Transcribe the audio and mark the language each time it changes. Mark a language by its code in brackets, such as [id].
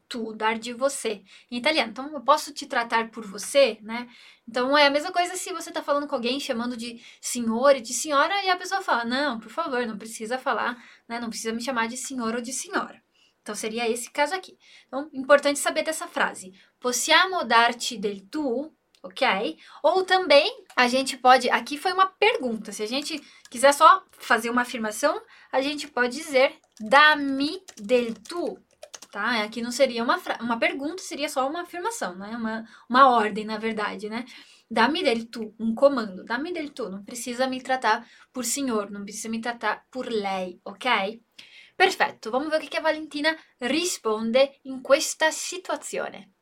[pt] tu, dar de você. Em italiano, então eu posso te tratar por você, né? Então é a mesma coisa se você tá falando com alguém, chamando de senhor e de senhora, e a pessoa fala, não, por favor, não precisa falar, né? Não precisa me chamar de senhor ou de senhora. Então seria esse caso aqui. Então, importante saber dessa frase. [it] Possiamo darti del tu, ok? [pt] Ou também, a gente pode, aqui foi uma pergunta, se a gente quiser só fazer uma afirmação, a gente pode dizer, [it] dammi del tu. [pt] Tá? Aqui não seria uma pergunta, seria só uma afirmação, né? Uma ordem, na verdade, né? [it] Dammi del tu, [pt] um comando. [it] Dammi del tu, [pt] não precisa me tratar por senhor, não precisa me tratar por lei, ok? Perfetto, vamos ver o que a Valentina [it] risponde in questa situazione.